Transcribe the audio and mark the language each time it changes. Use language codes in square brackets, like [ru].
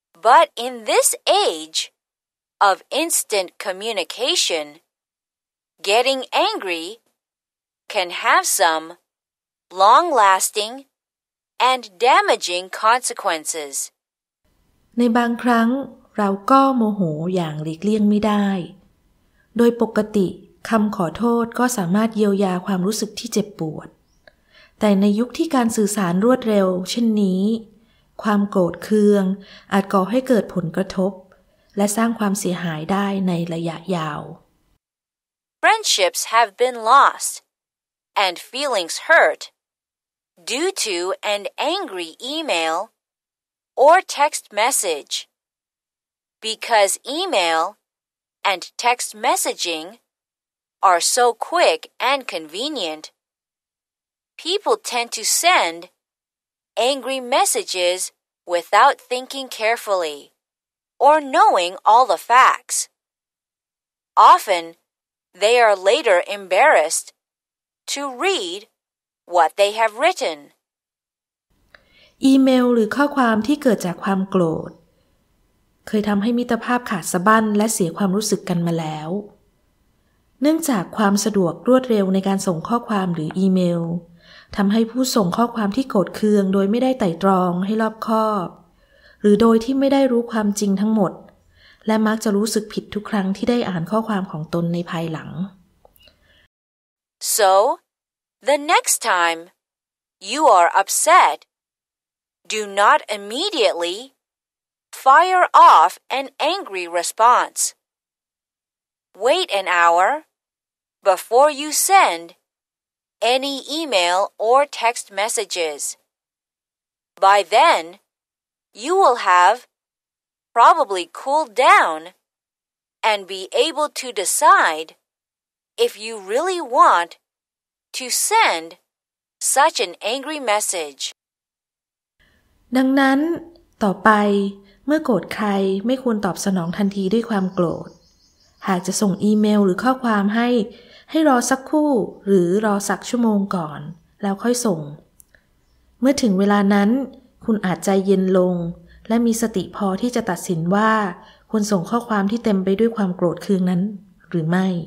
[en] But in this age of instant communication, getting angry can have some long-lasting and damaging consequences. [th] ในบางครั้งเราก็โมโหอย่างหลีกเลี่ยงไม่ได้โดยปกติคำขอโทษก็สามารถเยียวยาความรู้สึกที่เจ็บปวดแต่ในยุคที่การสื่อสารรวดเร็วเช่นนี้ความโกรธเคืองอาจก่อให้เกิดผลกระทบและสร้างความเสียหายได้ในระยะยาว [en] Friendships have been lost and feelings hurt due to an angry email or text message because email and text messaging are so quick and convenient. People tend to send angry messages without thinking carefully or knowing all the facts. Often, they are later embarrassed to read what they have written. [th] อีเมลหรือข้อความที่เกิดจากความโกรธเคยทำให้มิตรภาพขาดสะบั้นและเสียความรู้สึกกันมาแล้วเนื่องจากความสะดวกรวดเร็วในการส่งข้อความหรืออีเมลทำให้ผู้ส่งข้อความที่โกรธเคืองโดยไม่ได้ไต่ตรองให้รอบคอบหรือโดยที่ไม่ได้รู้ความจริงทั้งหมดและมักจะรู้สึกผิดทุกครั้งที่ได้อ่านข้อความของตนในภายหลัง [en] So the next time you are upset do not immediately fire off an angry response wait an hour before you sendany email or text messages. By then, you will have probably cooled down and be able to decide if you really want to send such an angry message. [th] ดังนั้นต่อไปเมื่อโกรธใครไม่ควรตอบสนองทันทีด้วยความโกรธหากจะส่งอีเมลหรือข้อความให้รอสักครู่หรือรอสักชั่วโมงก่อนแล้วค่อยส่งเมื่อถึงเวลานั้นคุณอาจใจเย็นลงและมีสติพอที่จะตัดสินว่าคุณส่งข้อความที่เต็มไปด้วยความโกรธเคืองนั้นหรือไม่